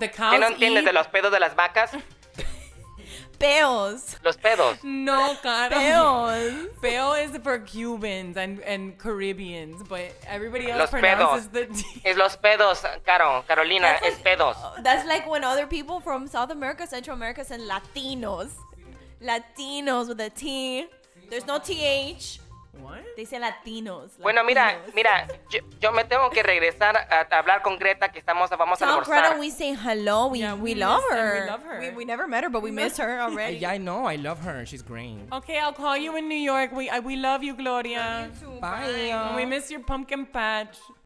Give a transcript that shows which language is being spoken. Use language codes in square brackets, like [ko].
[es] ¿Qué no entiendes de los pedos de las vacas? Peos. Los pedos. No, cara. Peos. [en] Peo is for Cubans and Caribbeans, but everybody else los pronounces [es] pedos. Es los pedos, Carolina. Like, es pedos. [en] That's like when other people from South America, Central America, say Latinos. Latinos with a T. There's no TH. What? They say Latinos. [es] Bueno, Latinos. Mira, yo me tengo que regresar a hablar con Greta, que vamos a almorzar. [en] Tell Greta we say hello, we love her. We love her. We never met her, but we miss her already. Yeah, I know, I love her, she's great. Okay, I'll call you in New York, we love you, Gloria. Love you too. Bye. Bye. We miss your pumpkin patch.